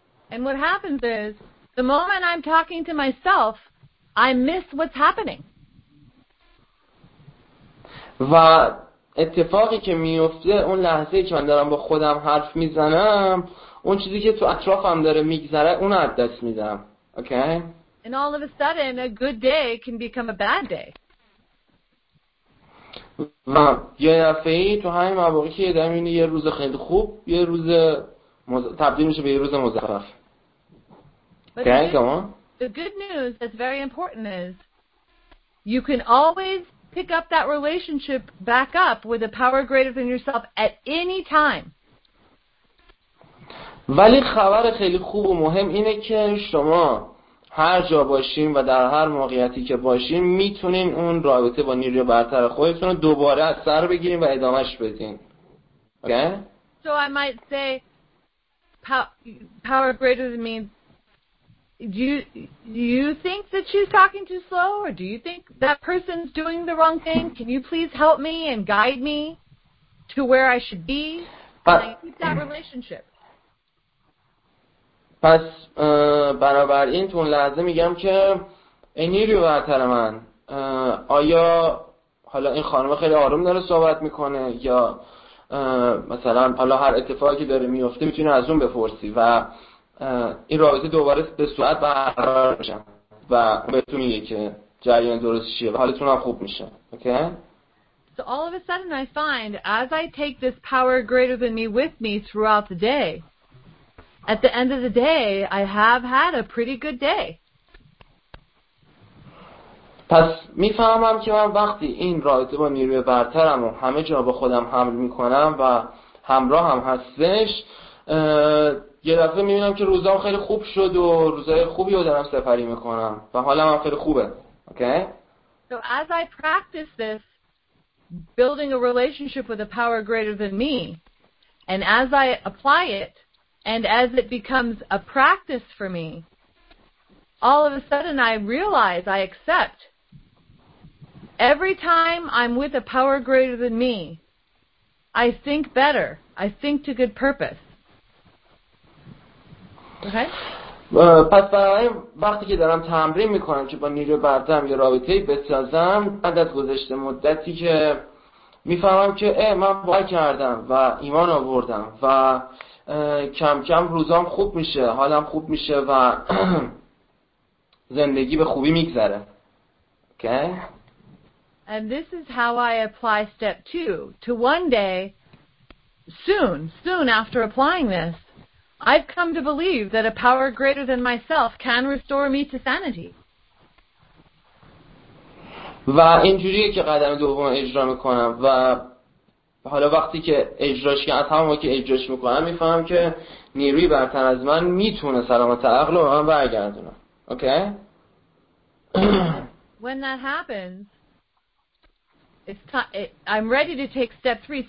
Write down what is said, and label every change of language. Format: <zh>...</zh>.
<en>And what happens is the moment I'm talking to myself, I miss what's happening.</en> <fa>و اتفاقی که میفته اون لحظه‌ای که من دارم با خودم حرف میزنم، اون چیزی که تو اطرافم داره میگذره اون رو از دست میدم.</fa> <en>Okay? And all of a sudden a good day can become a bad day.</en> <fa>یه دفعه تو همین مواقعی که یادم اینه یه روز خیلی خوب یه روز تبدیل میشه به یه روز مزخرف.</fa> <en>Okay? Come on. The good news that's very important is you can always pick up that relationship back up with a power greater than yourself at any time.</en> <fa>ولی خبر خیلی خوب و مهم اینه که شما هر جا باشین و در هر موقعیتی که باشین میتونین اون رابطه با نیروی برتر خودتون رو دوباره از سر بگیرین و ادامهش بدین.</fa> <en>Okay? So I might say power greater than me. Do you think that she's talking too slow or do you think that person's doing the wrong thing? Can you please help me and guide me to where I should be? And I keep that relationship.</en> <fa>پس بنابراین تو اون لحظه میگم که نیروی برتر من، آیا حالا این خانم خیلی آروم داره صحبت میکنه یا مثلا حالا هر اتفاقی داره میفته میتونه از اون بپرسی و این رابطه دوباره به صورت برقرار بشه و بهتون میگه که جریان درست چیه و حالتون هم خوب میشه.</fa> <en>Okay? So all of a sudden I find as I take this power greater than me with me throughout the day, at the end of the day, I have had a pretty good day.</en> <fa>پس میفهمم که من وقتی این رابطه با نیروی برترم و همه جا با خودم حمل میکنم و همراه هم هستش، یه دفعه میبینم که روزام خیلی خوب شد و روزای خوبی رو دارم سپری میکنم و حالا من خیلی خوبه.</fa> <en>Okay? So as I practice this, building a relationship with a power greater than me, and as I apply it, and as it becomes a practice for me, all of a sudden I realize, I accept, every time I'm with a power greater than me, I think better. I think to good purpose. Okay?</en> <fa>پس برای وقتی که دارم تمرین میکنم که با نیروی برترم یه رابطه بسازم، بعد از گذشت مدتی که میفهمم که من باور کردم و ایمان آوردم و کم کم روزام خوب میشه، حالم خوب میشه و زندگی به خوبی میگذره.</fa> <en>Okay? And this is how I apply step 2 to one day soon after applying this, I've come to believe that a power greater than myself can restore me to sanity.</en> <fa>و اینجوریه که قدم دوم اجرا میکنم و حالا وقتی که اجراش که از همون که اجراش میکنم میفهمم که نیروی برتر از من میتونه سلامت عقل رو به من برگردونه.</fa> <en>Okay. When that happens, I'm ready to take step three.</en>